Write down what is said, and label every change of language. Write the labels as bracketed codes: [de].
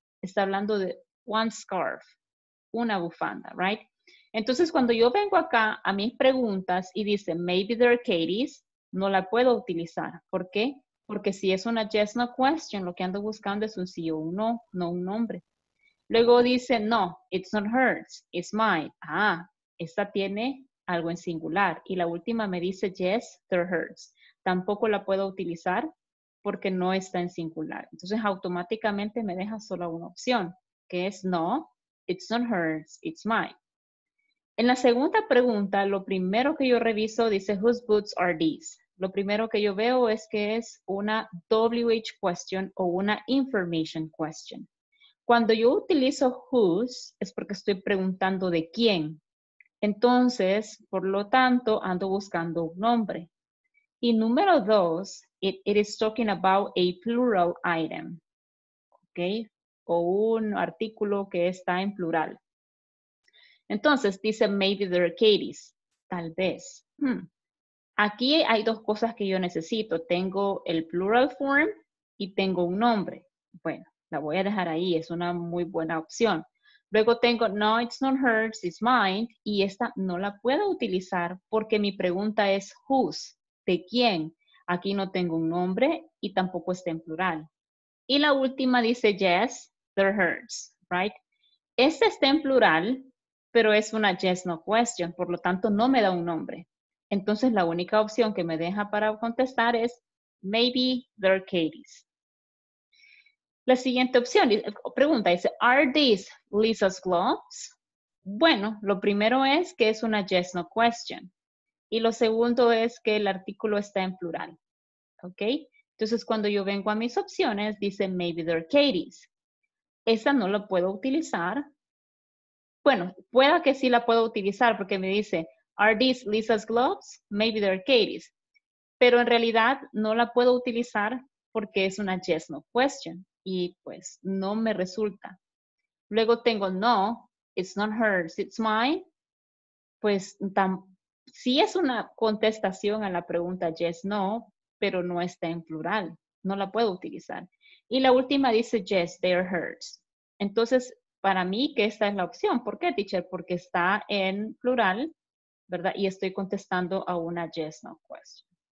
[es] Está hablando de [en] one scarf, [es] una bufanda, right? Entonces, cuando yo vengo acá a mis preguntas y dice, [en] maybe there are Katie's, [es] no la puedo utilizar. ¿Por qué? Porque si es una [en] yes, no question, [es] lo que ando buscando es un sí o un no, no un nombre. Luego dice, [en] no, it's not hers, it's mine. [es] Ah, esta tiene algo en singular. Y la última me dice, [en] yes, they're hers. [es] Tampoco la puedo utilizar porque no está en singular. Entonces, automáticamente me deja solo una opción, que es no, [en] it's not hers, it's mine. [es] En la segunda pregunta, lo primero que yo reviso dice, [en] whose boots are these? [es] Lo primero que yo veo es que es una WH question o una [en] information question. [es] Cuando yo utilizo whose, es porque estoy preguntando de quién. Entonces, por lo tanto, ando buscando un nombre. Y número dos, [en] it is talking about a plural item, ¿ok? [es] O un artículo que está en plural. Entonces, dice, [en] maybe there are Katie's, [es] tal vez. Aquí hay dos cosas que yo necesito. Tengo el plural form y tengo un nombre. Bueno, la voy a dejar ahí, es una muy buena opción. Luego tengo, [en] no, it's not hers, it's mine. [es] Y esta no la puedo utilizar porque mi pregunta es, whose? ¿De quién? Aquí no tengo un nombre y tampoco está en plural. Y la última dice, [en] yes, they're hers, right? [es] Esta está en plural, pero es una [en] yes, no question. [es] Por lo tanto, no me da un nombre. Entonces, la única opción que me deja para contestar es, [en] maybe they're Katie's. [es] La siguiente opción, pregunta, dice, [en] are these Lisa's gloves? [es] Bueno, lo primero es que es una [en] yes, no question. [es] Y lo segundo es que el artículo está en plural, ¿ok? Entonces, cuando yo vengo a mis opciones, dice, [en] maybe they're Katie's. [es] Esa no la puedo utilizar. Bueno, pueda que sí la puedo utilizar porque me dice, [en] are these Lisa's gloves? Maybe they're Katie's. [es] Pero en realidad no la puedo utilizar porque es una [en] yes, no question. [es] Y pues, no me resulta. Luego tengo, [en] no, it's not hers, it's mine. [es] Pues, sí es una contestación a la pregunta yes, no, pero no está en plural. No la puedo utilizar. Y la última dice, [en] yes, they're hers. [es] Entonces, para mí, que esta es la opción. ¿Por qué, teacher? Porque está en plural, ¿verdad? Y estoy contestando a una [en] yes, no question.